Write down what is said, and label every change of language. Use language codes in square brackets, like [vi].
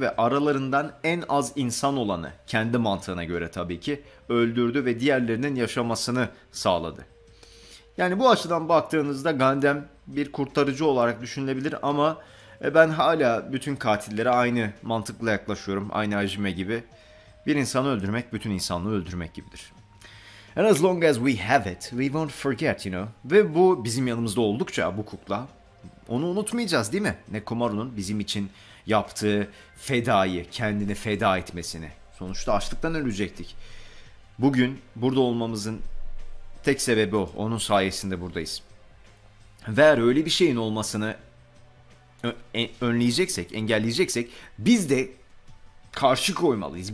[tr] Ve aralarından en az insan olanı, kendi mantığına göre tabii ki, öldürdü ve diğerlerinin yaşamasını sağladı. Yani bu açıdan baktığınızda Gundam bir kurtarıcı olarak düşünülebilir ama ben hala bütün katillere aynı mantıkla yaklaşıyorum. Aynı Hajime gibi. Bir insanı öldürmek bütün insanlığı öldürmek gibidir. [en] And as long as we have it, we won't forget, you know. [tr] Ve bu bizim yanımızda oldukça, bu kukla, onu unutmayacağız değil mi? Nekomaru'nun bizim için yaptığı fedayı, kendini feda etmesini. Sonuçta açlıktan ölecektik. Bugün burada olmamızın tek sebebi o. Onun sayesinde buradayız. Ve eğer öyle bir şeyin olmasını önleyeceksek, engelleyeceksek biz de karşı koymalıyız.